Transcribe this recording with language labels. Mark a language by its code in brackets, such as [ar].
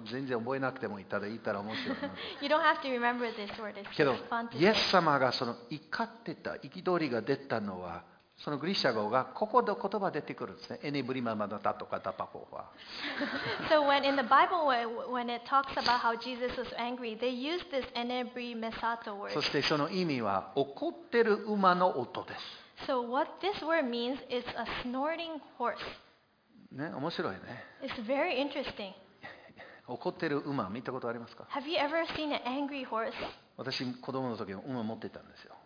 [ja] 全然覚えなくてもいただいたら面白いな。 [en] You don't have to remember this word. [ja] けど、イエス様がその怒ってた、憤りが出たのは、そのグリシャ語がここで言葉出てくるんですね。エネブリママダタとかタパコは。 [en] So when in the Bible, when it talks about how Jesus was angry, they use this エネブリメサト word. [ja] そしてその意味は怒ってる馬の音です。 [en] So what this word means is a snorting horse. [ja] ね、面白いね。 [en] It's very interesting. [ja] 怒ってる馬見たことありますか？ [en] Have you ever seen an angry horse? [ja] 私子供の時に馬持ってたんですよ。